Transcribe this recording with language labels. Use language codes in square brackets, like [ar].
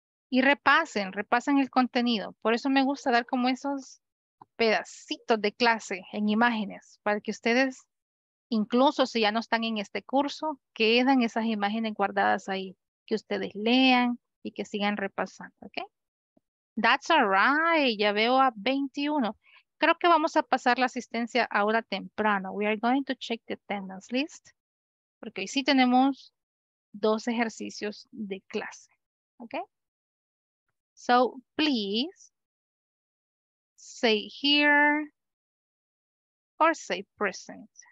[es] Y repasen el contenido. Por eso me gusta dar como esos pedacitos de clase en imágenes, para que ustedes, incluso si ya no están en este curso, quedan esas imágenes guardadas ahí, que ustedes lean. Y que sigan repasando, ¿ok? [en] That's all right. [es] Ya veo a 21. Creo que vamos a pasar la asistencia ahora temprano. [en] We are going to check the attendance list. [es] Porque hoy sí tenemos dos ejercicios de clase, ¿ok? [en] So, please, say here or say present.